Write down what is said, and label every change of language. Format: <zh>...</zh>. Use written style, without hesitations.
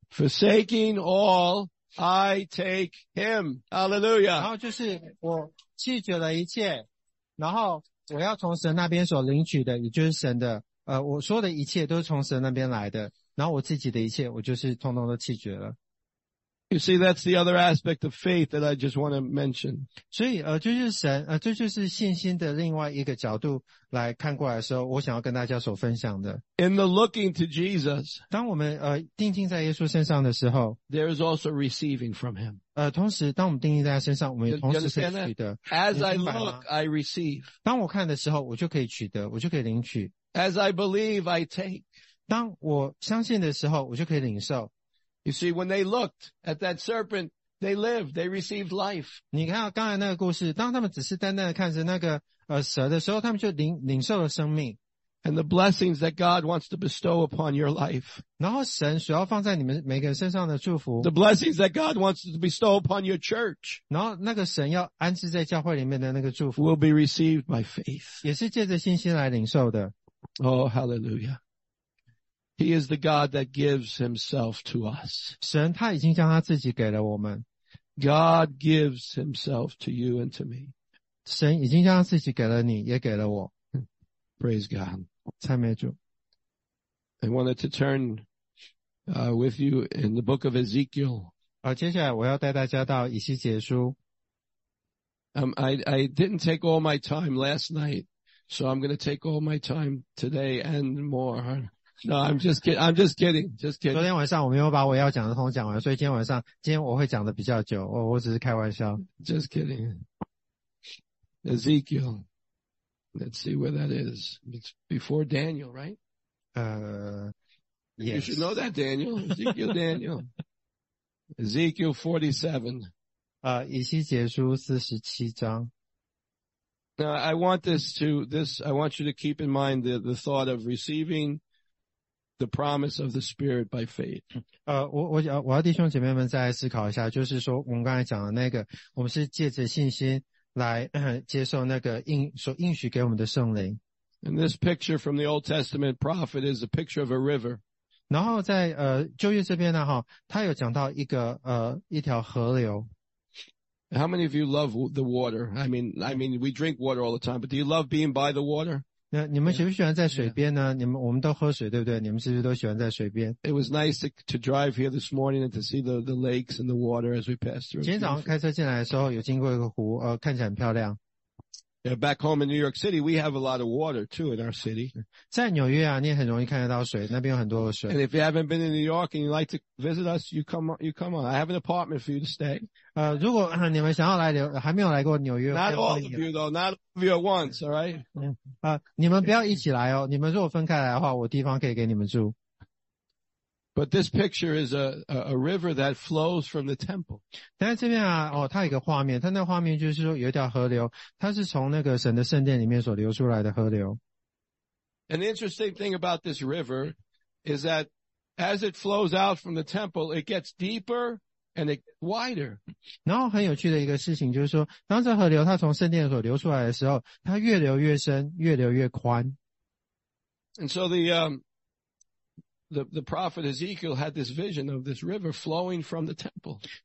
<en>forsaking all I take him hallelujah</en> <zh>然后就是我弃绝了一切 然后我要从神那边所领取的 也就是神的 我说的一切都是从神那边来的 然后我自己的一切我就是通通都弃绝了</zh> <en>You see, that's the other aspect of faith that I just want to mention.</en> <zh>所以, 这就是神, 这就是信心的另外一个角度来看过来的时候, 我想要跟大家所分享的。</zh> <en>In the looking to Jesus,</en> <zh>当我们, 定睛在耶稣身上的时候,</zh> <en>there is also receiving from him.</en> <zh>同时当我们定睛在他身上, 我们也同时是取得。</zh> <en>As I look, I receive.</en> <zh>当我看的时候, 我就可以取得, 我就可以领取。</zh> <en>As I believe, I take.</en> <zh>当我相信的时候, 我就可以领受。</zh> <en>You see, when they looked at that serpent, they lived, they received life.</en> <zh>你看刚才那个故事, 当他们只是单单的看着那个, 蛇的时候, 他们就领受了生命。</zh> <en>And the blessings that God wants to bestow upon your life.</en> <zh>然后神所要放在你们每个人身上的祝福。</zh> <en>The blessings that God wants to bestow upon your church.</en> <zh>然后那个神要安置在教会里面的那个祝福。</zh> <en>Will be received by faith.</en> <zh>也是借着信心来领受的。</zh> <en>Oh, hallelujah. He is the God that gives himself to us.</en> <zh>神他已经将他自己给了我们。</zh> <en>God gives himself to you and to me.</en> <zh>神已经将他自己给了你，也给了我。</zh> <en>Praise God.</en> <zh>赞美主。</zh> <en>I wanted to turn with you in the book of Ezekiel.</en> <zh>接下来我要带大家到以西结书。</zh> <en>I didn't take all my time last night, so I'm going to take all my time today and more. No, I'm just kidding.</en> <zh>昨天晚上我没有把我要讲的通讲完, 所以今天晚上, 今天我会讲的比较久, 我只是开玩笑。</zh> <en>Just kidding. Ezekiel. Let's see where that is. It's before Daniel, right? Yes. You should know that, Daniel. Ezekiel Daniel. Ezekiel 47.</en> <zh>以西结书47章。</zh> <en>Now, I want you to keep in mind the thought of receiving the promise of the Spirit by faith.</en> <zh>我要弟兄姐妹们再思考一下, 就是说我们刚才讲的那个, 我们是借着信心来, 接受那个应, 所应许给我们的圣灵。</zh> <en>And this picture from the Old Testament prophet is a picture of a river.</en> <zh>然后在, 旧约这边呢, 哈, 他有讲到一个, 一条河流。</zh> <en>How many of you love the water? I mean, we drink water all the time, but do you love being by the water?</en> <zh>你们喜不喜欢在水边呢? Yeah. 我们都喝水对不对? 你们是不是都喜欢在水边?</zh> <en>It was nice to drive here this morning and to see the lakes and the water as we passed through.</en> <zh>今天早上开车进来的时候, 有经过一个湖, 看起来很漂亮。</zh> <en>Yeah, back home in New York City, we have a lot of water too in our city.</en> <zh>在纽约啊, 你也很容易看得到水, 那边有很多的水。</zh> <en>And if you haven't been in New York and you like to visit us, you come on. I have an apartment for you to stay.</en> <zh>如果, 你们想要来留, 还没有来过纽约,</zh> <en>not all of you though, not all of you at once, alright?</en> <zh>你们不要一起来哦, 你们如果分开来的话, 我地方可以给你们住。</zh> <en>But this picture is a river that flows from the temple.</en> <zh>但是这边啊，哦，它有一个画面，它那画面就是说有一条河流，它是从那个神的圣殿里面所流出来的河流。</zh> <en>An interesting thing about this river is that as it flows out from the temple, it gets deeper and it wider.</en> <zh>然后很有趣的一个事情就是说，当这河流它从圣殿所流出来的时候，它越流越深，越流越宽。</zh> <en>And so the prophet Ezekiel had this vision of this river flowing from the temple.</en>